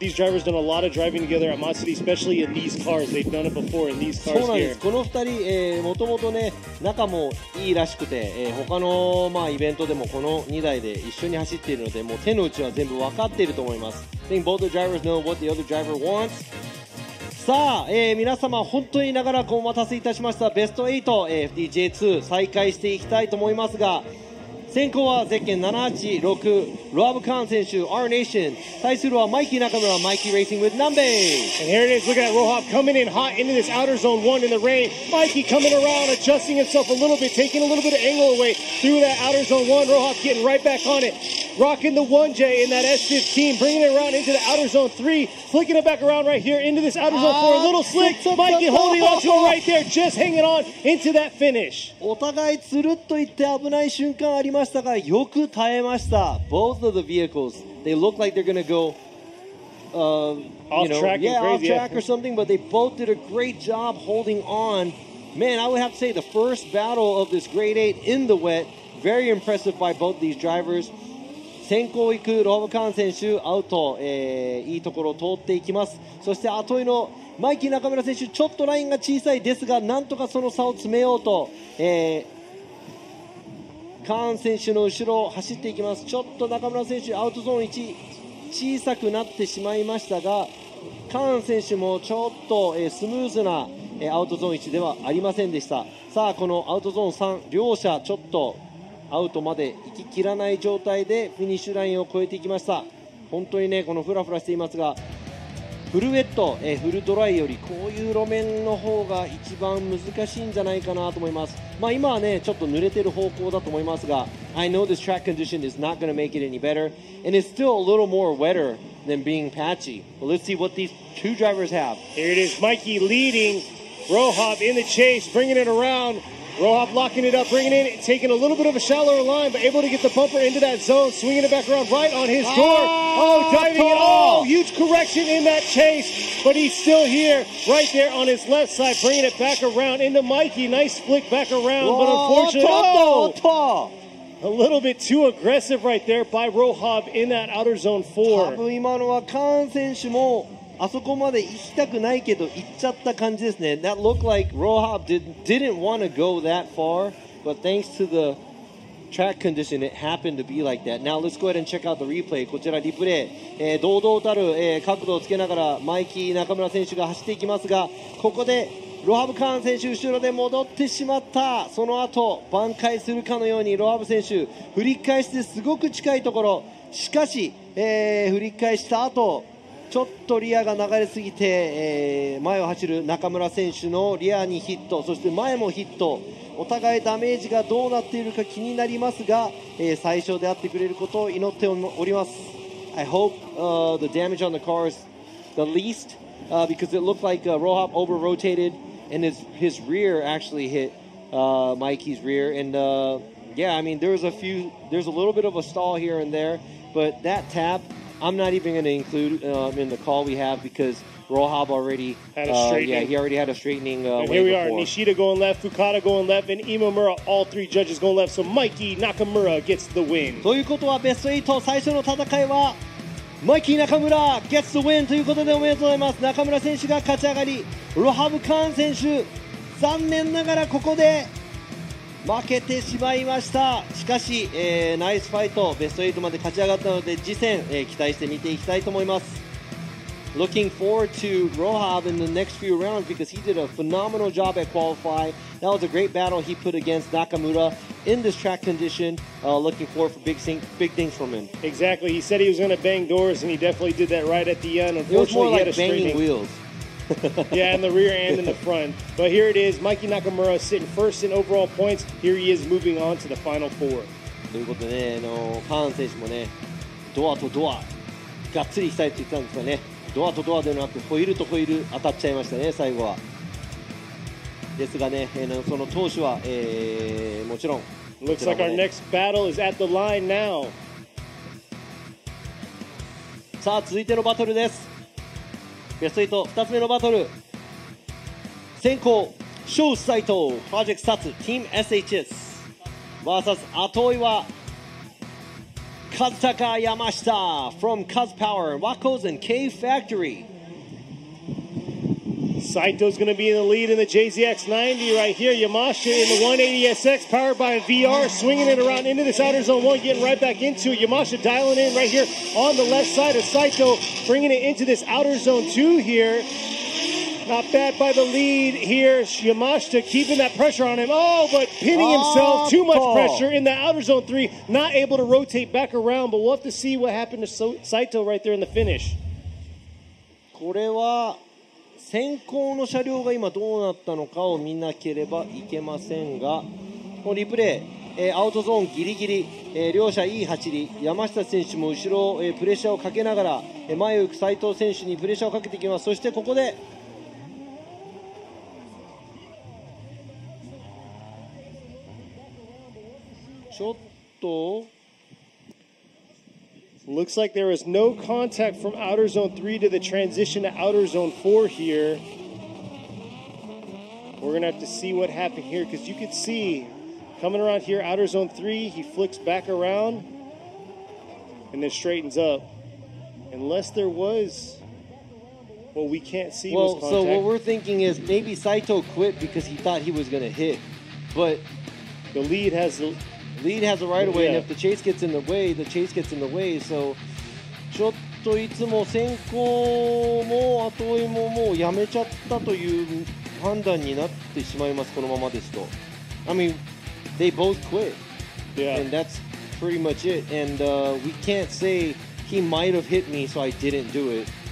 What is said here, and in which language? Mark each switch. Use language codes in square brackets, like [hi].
[en] These drivers done a lot of driving together at Motocity, especially in these cars. They've done it before in these cars here. [ja] そうなんです。この二人、もともとね、仲もいいらしくて、他の、まあ、イベントでもこの2台で一緒に走っているので、もう手の内は全部分かっていると思います。 [en] I think both the drivers know what the other driver wants. [ja] さあ、皆様、本当に長らくお待たせいたしました。ベスト8、FDJ2 再開していきたいと思いますが、先行はゼッケン786ロアブカーン選手 R Nation 対するはマイキー中村 Mikey Racing with Nambe. [en] And here it is, look at Rohab coming in hot into this outer zone 1 in the rain. Mikey coming around, adjusting himself a little bit, taking a little bit of angle away through that outer zone 1. Rohab getting right back on it, rocking the 1J in that S15, bringing it around into the outer zone 3, flicking it back around right here into this outer zone 4, a little slick. Mikey holding on to it right there, just hanging on into that finish. [ja] お互いつるっといって危ない瞬間ありましたがよく耐えました。 [en] Both of the vehicles, they look like they're going to go off track or something, but they both did a great job holding on. Man, I would have to say the first battle of this grade 8 in the wet, very impressive by both these drivers. [ja] 先行行くロハブカーン選手アウト、いいところを通っていきます。そして後追いのマイキー中村選手ちょっとラインが小さいですがなんとかその差を詰めようと、カーン選手の後ろを走っていきます。ちょっと中村選手アウトゾーン1小さくなってしまいましたがカーン選手もちょっと、スムーズな、アウトゾーン1ではありませんでした。さあこのアウトゾーン3両者ちょっとアウトまで行ききらない状態でフィニッシュラインを越えていきました。本当にねこのフラフラしていますがフルウェット、フルドライよりこういう路面の方が一番難しいんじゃないかなと思います。まあ今はねちょっと濡れてる方向だと思いますが [en] I know this track condition is not going to make it any better and it's still a little more wetter than being patchy. Well, let's see what these two drivers have. Here it is, Mikey leading Rohab in the chase, bringing it aroundRohab locking it up, bringing it in, taking a little bit of a shallower line, but able to get the bumper into that zone, swinging it back around right on his door. Oh, diving it. Oh, huge correction in that chase, but he's still here, right there on his left side, bringing it back around into Mikey. Nice flick back around, but unfortunately, a little bit too aggressive right there by Rohab in that outer zone 4. [ja] 多分今のはカーン選手もあそこまで行きたくないけど行っちゃった感じですね。 [en] That looked like Rohab didn't want to go that far, but thanks to the track condition, it happened to be like that. Now let's go ahead and check out the replay. [ja] こちらリプレイ、堂々たる、角度をつけながらマイキー中村選手が走っていきますがここでロハブカーン選手後ろで戻ってしまった。その後挽回するかのようにロハブ選手振り返してすごく近いところ、しかし、振り返した後ちょっとリアが流れすぎて、前を走る中村選手のリアにヒット、そして前もヒット、お互いダメージがどうなっているか気になりますが、最小であってくれることを祈っております。 [en] I hope、the damage on the car is the least、because it looked like、Rohab over rotated and his rear actually hit、Mikey's rear and、yeah I mean there's a little bit of a stall here and there but that tapI'm not even going to include in the call we have because Rohab already had a straightening. Yeah, he already had a straightening. And here we are, Nishida going left, Fukada going left, and Imamura, all three judges going left. So Mikey Nakamura gets the win. [ja] ということはベスト8、最初の戦いは [en] Mikey Nakamura gets the win [ja] ということでおめでとうございます。中村選手が勝ち上がり、Rohab Khan 選手、残念ながらここで負けてしまいました。しかし、ナイスファイト、ベスト8まで勝ち上がったので、次戦、期待して見ていきたいと思います。 [en] Looking forward to Rohab in the next few rounds because he did a phenomenal job at qualify. That was a great battle he put against Nakamura in this track condition. Looking forward for big things from him. Exactly, he said he was going to bang doors and he definitely did that right at the end. Unfortunately, it was more like he had a banging streaming. Wheels yeah, in the rear and in the front. But here it is, Mikey Nakamura sitting first in overall points. Here he is moving on to the final four. [ja] ということでね、カーン選手もね、ドアとドア、がっつりしたいって言ったんですがね、ドアとドアではなく、ホイールとホイール当たっちゃいましたね、最後は。ですがね、その投手は、もちろん。 [en] Looks like our next battle is at the line now. [ja] さあ、続いてのバトルです。ベスト8、2つ目のバトル。先行、ショウ・サイト、プロジェクト・サツ、チーム SHS。 VS、後追いは、カズタカ・ヤマシタ、from カズパワー、ワコーズ and K Factory。 [en] Saito's going to be in the lead in the JZX90 right here. Yamashita in the 180SX powered by a VR, swinging it around into this outer zone one, getting right back into it. Yamashita dialing in right here on the left side of Saito, bringing it into this outer zone two here. Not bad by the lead here. Yamashita keeping that pressure on him. Oh, but pinning himself. Too much pressure in the outer zone three. Not able to rotate back around, but we'll have to see what happened to Saito right there in the finish. [ja] これは先行の車両が今どうなったのかを見なければいけませんが、このリプレイ、アウトゾーンギリギリ、両者いい走り、山下選手も後ろ、プレッシャーをかけながら、前を行く斉藤選手にプレッシャーをかけていきます。そしてここでちょっと [en] Looks like there is no contact from outer zone 3 to the transition to outer zone 4 here. We're going to have to see what happened here because you can see coming around here, outer zone 3, he flicks back around and then straightens up. Unless there was, well, we can't see well, was contact. Well, so what we're thinking is maybe Saito quit because he thought he was going to hit, but the lead has... Lead has a right of way, and if the chase gets in the way, the chase gets in the way. [ja] So, ちょっといつも先行も後追いももうやめちゃったという判断になってしまいます。このままですと、 [en] I mean, they both quit, yeah, and that's pretty much it. And we can't say he might have hit me, so I didn't do it.